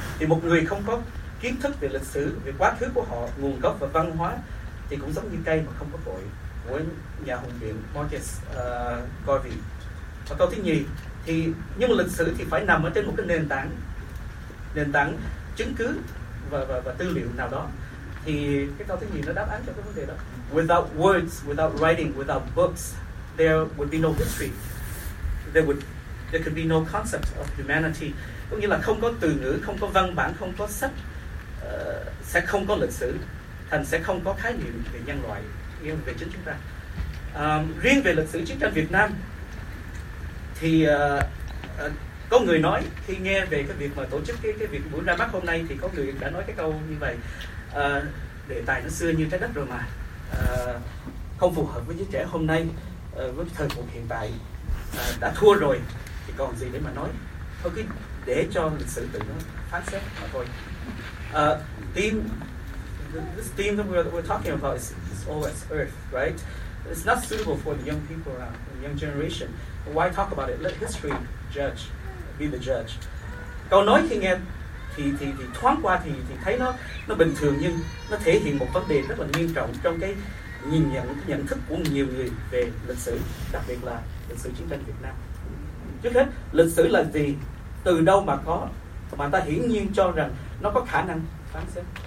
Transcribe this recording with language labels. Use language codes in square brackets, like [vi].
[vi] Thì một người không có kiến thức về lịch sử, về quá khứ của họ, nguồn gốc và văn hóa thì cũng giống như cây mà không có cội, của nhà hùng biện Marcus Garvey. Và câu thứ nhì thì, nhưng mà lịch sử thì phải nằm ở trên một cái nền tảng chứng cứ và tư liệu nào đó. Thì cái câu thứ nhì nó đáp án cho cái vấn đề đó. [en] Without words, without writing, without books, there would be no history. There could be no concept of humanity. [vi] Có nghĩa là không có từ ngữ, không có văn bản, không có sách, sẽ không có lịch sử, thành sẽ không có khái niệm về nhân loại, nghĩa về chính chúng ta. Riêng về lịch sử chiến tranh Việt Nam thì có người nói khi nghe về cái việc mà tổ chức cái việc buổi ra mắt hôm nay, thì có người đã nói cái câu như vậy: đề tài nó xưa như trái đất rồi mà, không phù hợp với giới trẻ hôm nay, với thời cuộc hiện tại, đã thua rồi thì còn gì để mà nói, thôi cứ để cho lịch sử tự nó phán xét mà thôi. [en] This theme that we're talking about is always Earth, right? It's not suitable for the young people around, the young generation. Why talk about it? Let history judge, be the judge. [vi] Câu nói khi nghe thì thoáng qua thì thấy nó bình thường, nhưng nó thể hiện một vấn đề rất là nghiêm trọng trong cái nhìn nhận, cái nhận thức của nhiều người về lịch sử, đặc biệt là lịch sử chiến tranh Việt Nam. Trước hết, lịch sử là gì? Từ đâu mà có? Mà ta hiển nhiên cho rằng nó có khả năng phán xét.